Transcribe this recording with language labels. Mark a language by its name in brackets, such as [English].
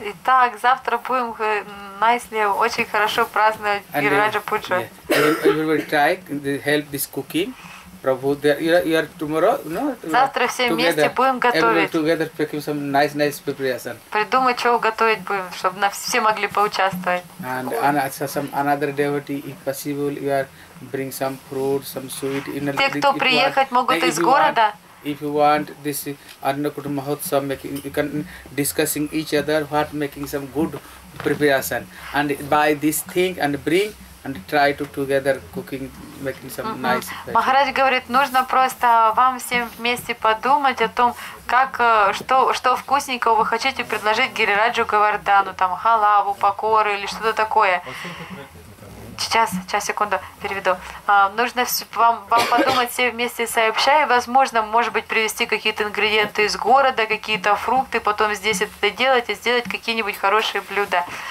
[Russian] Итак, завтра будем nicely, очень хорошо праздновать Гирираджа Пуджа. [English] Everybody try to help this cooking. Prabhu, you are tomorrow, no? [Russian] Завтра все вместе будем готовить. [English] Everybody together pick some nice preparation. [Russian] Придумать, что готовить будем, чтобы все могли поучаствовать. [English] And some another devotee, if possible, you are bring some fruit, some sweet. [Russian] Те, кто приехать могут из города, [English] if you want this Annakut Mahotsav making, you can discussing each other what making some good preparation, and buy this thing and bring and try to together cooking, making some nice. [Russian] Maharaj говорит, нужно просто вам всем вместе подумать о том, как что вкусненького вы хотите предложить Гирираджу Говардхану, там халаву, покоры или что-то такое. Сейчас, секунду, переведу. Нужно вам подумать все вместе сообща, и, возможно, может быть, привезти какие-то ингредиенты из города, какие-то фрукты, потом здесь это делать и сделать какие-нибудь хорошие блюда.